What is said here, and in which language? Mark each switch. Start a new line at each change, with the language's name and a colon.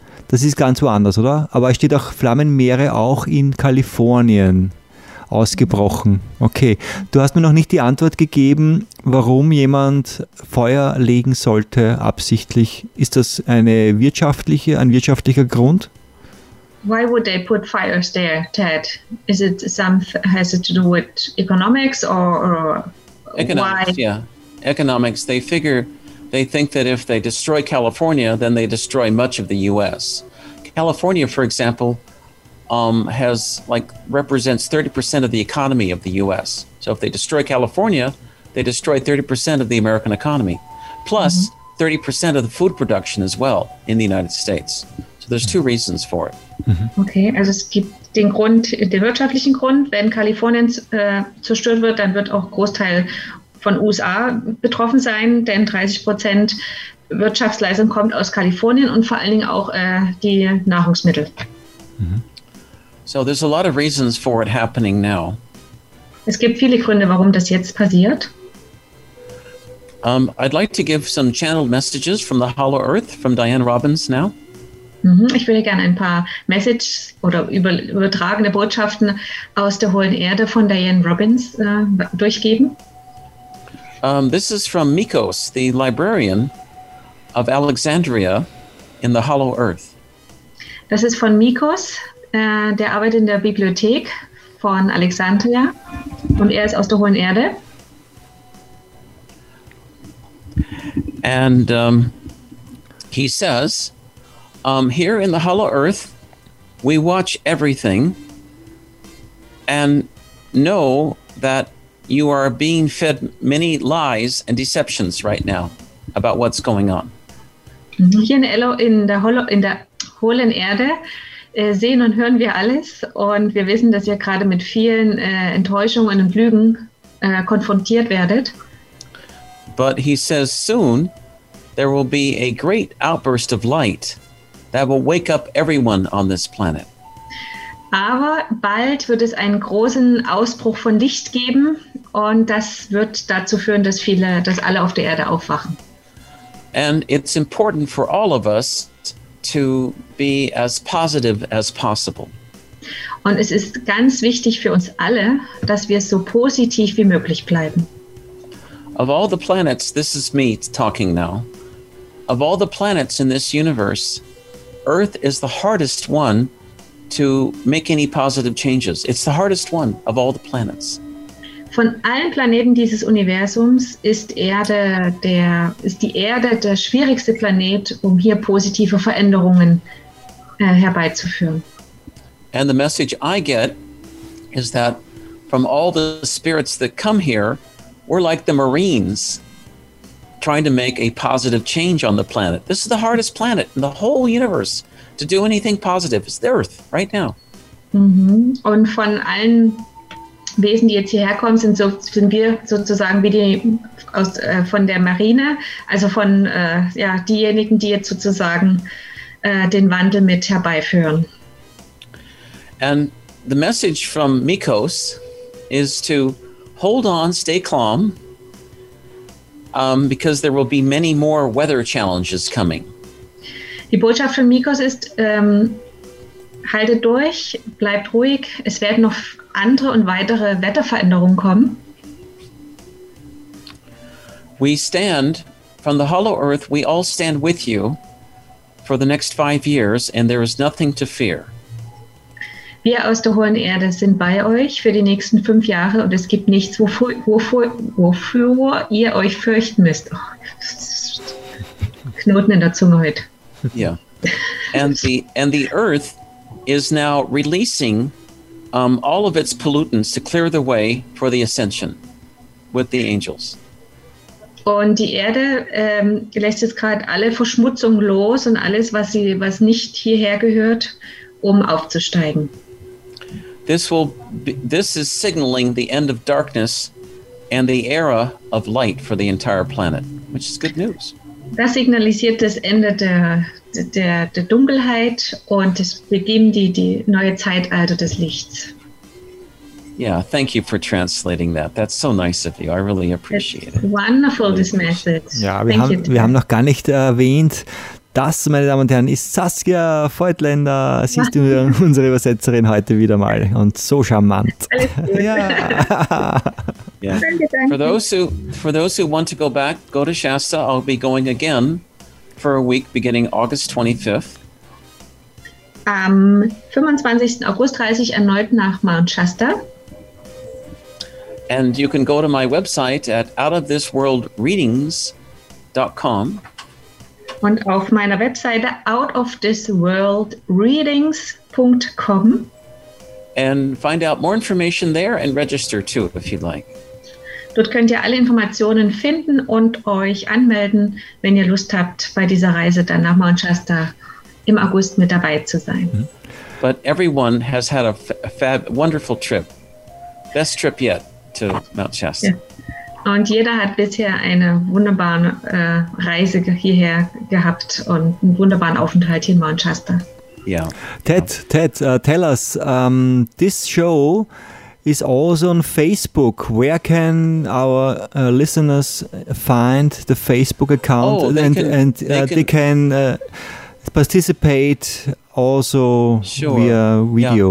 German: Das ist ganz woanders, oder? Aber es steht auch Flammenmeere auch in Kalifornien ausgebrochen. Okay, du hast mir noch nicht die Antwort gegeben, warum jemand Feuer legen sollte absichtlich. Ist das ein wirtschaftlicher Grund?
English: Why would they put fires there, Ted? Is it something, has it to do with economics or economics, why? Yeah. Economics, they figure... They think that if they destroy California, then they destroy much of the U.S. California, for example, represents 30% of the economy of the U.S. So if they destroy California, they destroy 30% of the American economy, plus 30% of the food production as well in the United States. So there's two reasons for it. Mm-hmm.
German: Okay, also es gibt den Grund, den wirtschaftlichen Grund, wenn Kalifornien zerstört wird, dann wird auch Großteil von USA betroffen sein, denn 30% Wirtschaftsleistung kommt aus Kalifornien und vor allen Dingen auch die Nahrungsmittel.
English: So there's a lot of reasons for it happening now.
German: Es gibt viele Gründe, warum das jetzt passiert.
English: I'd like to give some channeled messages from the Hollow Earth from Diane Robbins now.
German: Ich würde gerne ein paar Messages oder übertragene Botschaften aus der hohen Erde von Diane Robbins durchgeben.
English: This is from Mikos, the librarian of Alexandria in the Hollow Earth.
German: Das ist von Mikos, der arbeitet in der Bibliothek von Alexandria und er ist aus der Hohen Erde.
English: And he says, here in the Hollow Earth, we watch everything and know that you are being fed many lies and deceptions right now about what's going on.
German: Hier in der hohlen Erde sehen und hören wir alles und wir wissen, dass ihr gerade mit vielen Enttäuschungen und Lügen konfrontiert werdet.
English: But he says soon there will be a great outburst of light that will wake up everyone on this planet.
German: Aber bald wird es einen großen Ausbruch von Licht geben Und das wird dazu führen, dass viele, dass alle auf der Erde aufwachen.
English: And it's important for all of us to be as positive as possible.
German: Und es ist ganz wichtig für uns alle, dass wir so positiv wie möglich bleiben.
English: Of all the planets, this is me talking now. Of all the planets in this universe, Earth is the hardest one to make any positive changes. It's the hardest one of all the planets.
German: Von allen Planeten dieses Universums ist Erde der, ist die Erde der schwierigste Planet, um hier positive Veränderungen herbeizuführen.
English: And the message I get is that from all the spirits that come here, we're like the Marines trying to make a positive change on the planet. This is the hardest planet in the whole universe to do anything positive. It's the Earth right now. Mm-hmm.
German: Und von allen Wesen, die jetzt hierher kommen, sind wir sozusagen wie die aus, von der Marine, also von ja, diejenigen, die jetzt sozusagen den Wandel mit herbeiführen.
English: And the message from Mikos is to hold on, stay calm, because there will be many more weather challenges coming.
German: Die Botschaft von Mikos ist, haltet durch, bleibt ruhig, es werden noch andere und weitere Wetterveränderungen kommen.
English: We stand from the Hollow Earth, we all stand with you for the next 5 years and there is nothing to fear.
German: Wir aus der Hohen Erde sind bei euch für die nächsten 5 Jahre und es gibt nichts, wofür ihr euch fürchten müsst. Oh, Knoten in der Zunge heute.
English: Yeah. And the Earth is now releasing all of its pollutants to clear the way for the ascension with the angels.
German: Und die Erde lässt jetzt gerade alle Verschmutzung los und alles, was nicht hierher gehört, um aufzusteigen.
English: This is signaling the end of darkness and the era of light for the entire planet, which is good news.
German: Das signalisiert das Ende der Dunkelheit und es beginnt die neue Zeitalter des Lichts.
English: Yeah, thank you for translating that. That's so nice of you. I really appreciate it. Wonderful, this message.
German: Ja, wir haben noch gar nicht erwähnt. Das, meine Damen und Herren, ist Saskia Voigtländer. Sie ist unsere Übersetzerin heute wieder mal und so charmant. Alles gut. Ja.
English: Yeah. For those who want to go back, go to Shasta. I'll be going again for a week beginning August 25th.
German: Am 25. August reise ich erneut nach Mount Shasta.
English: And you can go to my website at outofthisworldreadings.com.
German: Und auf meiner Webseite outofthisworldreadings.com.
English: And find out more information there and register too, if you'd like.
German: Dort könnt ihr alle Informationen finden und euch anmelden, wenn ihr Lust habt, bei dieser Reise dann nach Mount Shasta im August mit dabei zu sein.
English: But everyone has had a wonderful trip. Best trip yet to Mount Shasta. Yeah.
German: Und jeder hat bisher eine wunderbare Reise hierher gehabt und einen wunderbaren Aufenthalt hier in Mount Shasta. Ja.
English: Yeah. Ted, tell us, this show is also on Facebook. Where can our listeners find the Facebook account? Oh, they can participate also via video.